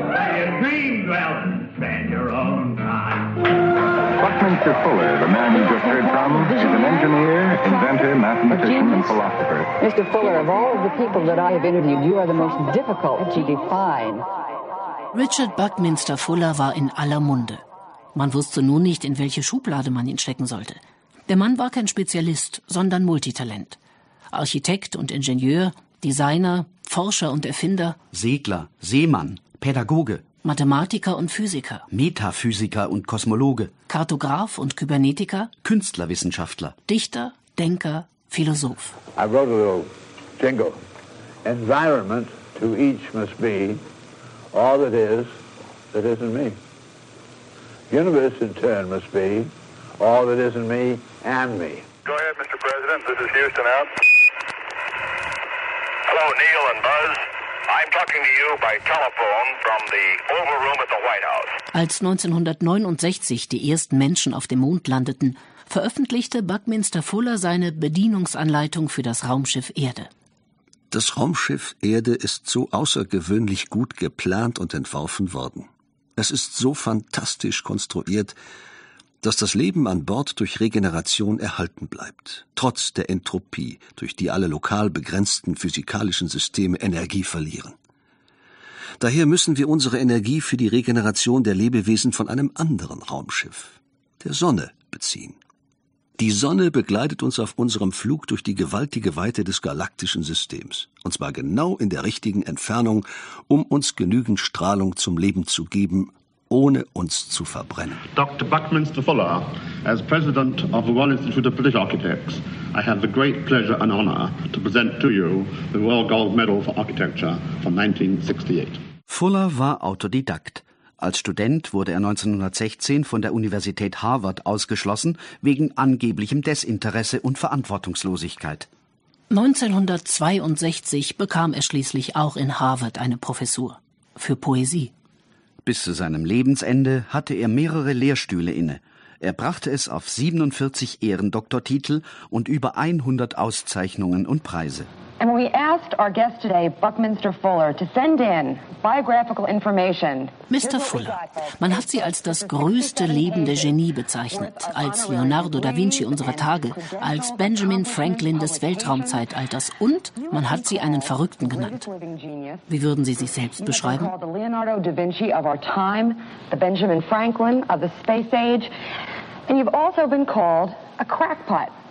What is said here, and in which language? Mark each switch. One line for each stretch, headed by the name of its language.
English: Where your dreams dwell, spend your own time. Buckminster Fuller, the man you just heard from, is an engineer, inventor, mathematician, and philosopher. Mr. Fuller, of all of the people that I have interviewed, you are the most difficult to define.
German: Richard Buckminster Fuller war in aller Munde. Man wusste nur nicht, in welche Schublade man ihn stecken sollte. Der Mann war kein Spezialist, sondern Multitalent. Architekt und Ingenieur, Designer, Forscher und Erfinder. Segler, Seemann, Pädagoge. Mathematiker und Physiker. Metaphysiker und Kosmologe. Kartograf und Kybernetiker. Künstlerwissenschaftler. Dichter, Denker, Philosoph.
English: I wrote a little jingle. Environment to each must be all that isn't me. Universe in turn must be all that isn't me and me. Go ahead, Mr. President. This is Houston out. Hello, Neil and Buzz. I'm talking to you by telephone from the Oval Room at the White House.
German: Als 1969 die ersten Menschen auf dem Mond landeten, veröffentlichte Buckminster Fuller seine Bedienungsanleitung für das Raumschiff Erde. Das Raumschiff Erde ist so außergewöhnlich gut geplant und entworfen worden. Es ist so fantastisch konstruiert, dass das Leben an Bord durch Regeneration erhalten bleibt, trotz der Entropie, durch die alle lokal begrenzten physikalischen Systeme Energie verlieren. Daher müssen wir unsere Energie für die Regeneration der Lebewesen von einem anderen Raumschiff, der Sonne, beziehen. Die Sonne begleitet uns auf unserem Flug durch die gewaltige Weite des galaktischen Systems, und zwar genau in der richtigen Entfernung, um uns genügend Strahlung zum Leben zu geben, ohne uns zu verbrennen.
English: Dr. Buckminster Fuller, as President of the Royal Institute of British Architects, I have the great pleasure and honor to present to you the Royal Gold Medal for Architecture from 1968.
German: Fuller war Autodidakt. Als Student wurde er 1916 von der Universität Harvard ausgeschlossen, wegen angeblichem Desinteresse und Verantwortungslosigkeit. 1962 bekam er schließlich auch in Harvard eine Professur für Poesie. Bis zu seinem Lebensende hatte er mehrere Lehrstühle inne. Er brachte es auf 47 Ehrendoktortitel und über 100 Auszeichnungen und Preise.
English: And we asked our guest today, Buckminster Fuller, to send in biographical information. Mr.
German: Fuller, man hat Sie als das größte lebende Genie bezeichnet, als Leonardo da Vinci unserer Tage, als Benjamin Franklin des Weltraumzeitalters und man hat Sie einen Verrückten genannt. Wie würden Sie sich selbst beschreiben?
English: Leonardo da Vinci of our time, the Benjamin Franklin of the space age, and you've also been called a crackpot.